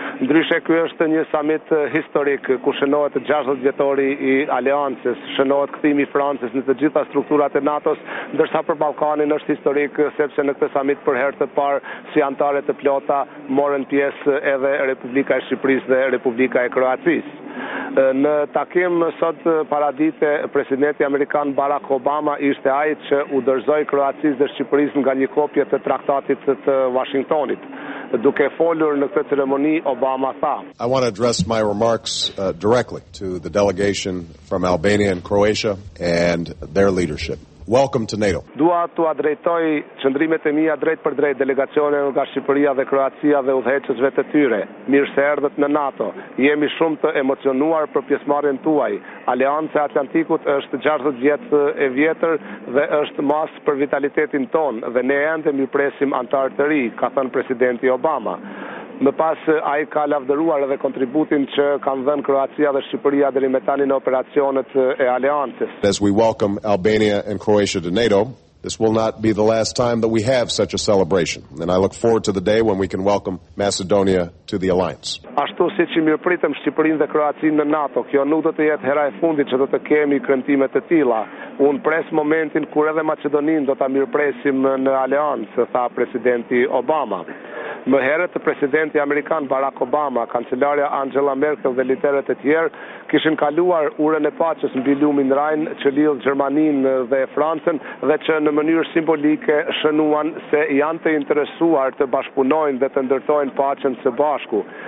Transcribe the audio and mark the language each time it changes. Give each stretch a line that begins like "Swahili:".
Albanian: Ndryshe ky është një samit historik ku shënohet 60 vjetori i aleancës, shënohet kthimi i Francës në të gjitha strukturat e NATO-s, ndërsa për Ballkanin është historik sepse në këtë samit për herë të parë si anëtare të plota morën pjesë edhe Republika e Shqipërisë dhe Republika e Kroacisë. Në takim sot paradite, presidenti amerikan Barack Obama ishte ai që u dorëzoi Kroacisë dhe Shqipërisë nga një kopje të traktatit të Washingtonit. Duke folur në këtë ceremoni, Obama tha:
English: I want to address my remarks directly to the delegation from Albania and Croatia and their leadership. Welcome to NATO.
Albanian: Dua t'u drejtoj qëndrimet e mia drejt për drejt delegacione nga Shqipëria dhe Kroacia dhe udhëheqësve të tyre. Mirë se erdhët në NATO. Jemi shumë të emocionuar për pjesëmarrjen tuaj. Aleanca e Atlantikut është 60 vjet e vjetër dhe është mas për vitalitetin ton dhe ne ende mirëpresim anëtarë të ri, ka thënë presidenti Obama. Më pas ai ka lavdëruar edhe kontributin që kanë dhënë Kroacia dhe Shqipëria deri më tani në operacionet e aleancës.
English: As we welcome Albania and Croatia to NATO, this will not be the last time that we have such a celebration, and I look forward to the day when we can welcome Macedonia to the alliance.
Albanian: Ashtu siç i mirëpritëm Shqipërinë dhe Kroacinë në NATO, kjo nuk do të jetë hera e fundit që do të kemi kremtime të tilla. Unë pres momentin kur edhe Macedoninë do ta mirëpresim në aleancë, tha presidenti Obama. Më herët, presidenti amerikan Barack Obama, kancelarja Angela Merkel dhe liderët e tjerë kishin kaluar urën e paqes mbi lumin Rhine që lidh Gjermaninë dhe Francën dhe që në mënyrë simbolike shënuan se janë të interesuar të bashkëpunojnë dhe të ndërtojnë paqen së bashku.